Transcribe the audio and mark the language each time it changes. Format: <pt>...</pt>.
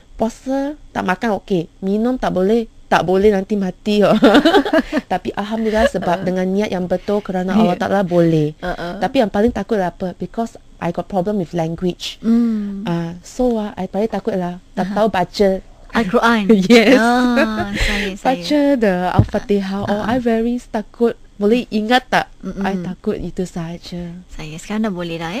<ms>puasa tak makan okey, minum tak boleh, tak boleh nanti mati. Oh. Tapi alhamdulillah sebab dengan niat yang betul kerana Allah Ta'ala boleh. Tapi yang paling takut adalah apa?</ms> <en>Because I got problem with language.</en> <ms>I paling takut adalah tak tahu baca Al-Quran. Yes. Baca the Al-Fatihah. I very takut. Boleh ingat tak? I takut itu sahaja. Saya sekarang dah boleh dah.</ms>